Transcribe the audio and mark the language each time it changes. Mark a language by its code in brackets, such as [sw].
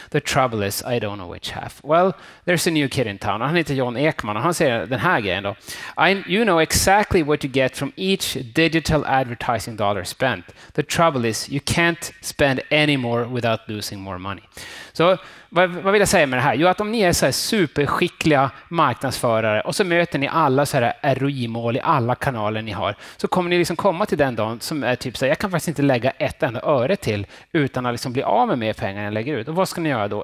[en] The trouble is I don't know which half. Well, there's a new kid in town. [sv] Han heter John Ekman och han säger den här grejen då. [en] You know exactly what you get from each digital advertising dollar spent. The trouble is you can't spend any more without losing more money. [sv] Så vad vill jag säga med det här? Jo, att om ni är så här superskickliga marknadsförare och så möter ni alla så här ROI-mål i alla kanaler ni har, så kommer ni liksom komma till den dagen som är typ så här, jag kan faktiskt inte lägga ett enda öre till utan att liksom bli av med mer pengar jag lägger ut. Och vad ska ni göra då?